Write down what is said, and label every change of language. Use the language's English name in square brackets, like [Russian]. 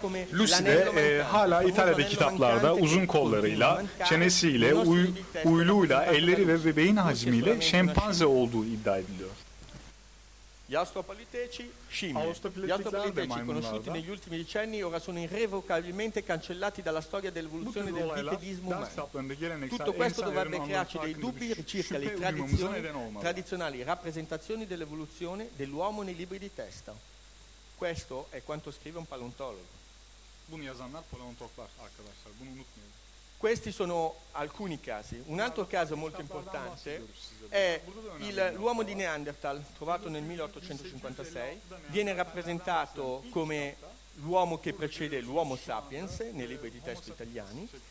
[Turkish] Lucy de hala İtalya'daki kitaplarda uzun kollarıyla, çenesiyle, uyluğuyla, elleri ve bebeğin hacmiyle şempanze olduğu iddia ediliyor. [Italian] Gli astropoliteci, scimmie. Gli astropoliteci conosciuti negli ultimi decenni ora sono irrevocabilmente cancellati dalla storia dell'evoluzione del bipedismo umano. Tutto questo dovrebbe crearci dei dubbi circa le tradizionali rappresentazioni dell'evoluzione dell'uomo nei libri di testa. Questo è quanto scrive un paleontologo. [Turkish] Bunu yazanlar paleontologlar arkadaşlar. Bunu unutmayın. [Italian] Questi sono alcuni casi. Un altro caso molto importante è l'uomo di Neanderthal, trovato nel 1856, viene rappresentato come l'uomo che precede l'uomo sapiens nei libri di testo italiani.